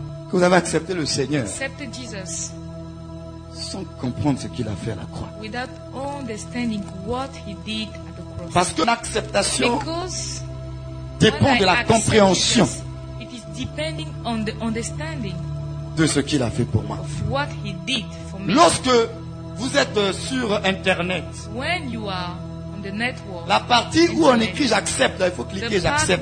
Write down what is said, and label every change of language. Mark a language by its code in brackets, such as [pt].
[fr] Que vous avez accepté le Seigneur [en] Jesus, [fr] sans comprendre ce qu'il a fait à la croix. [en] Without understanding what he did at the cross. [fr] Parce que l'acceptation [en] Because [fr] dépend de la compréhension [en] Jesus, it is depending on the understanding [fr] de ce qu'il a fait pour moi. [en] Of what he did for me. [fr] Lorsque vous êtes sur Internet, [en] when you are on the network, [fr] la partie où on écrit j'accepte, là, il faut cliquer j'accepte.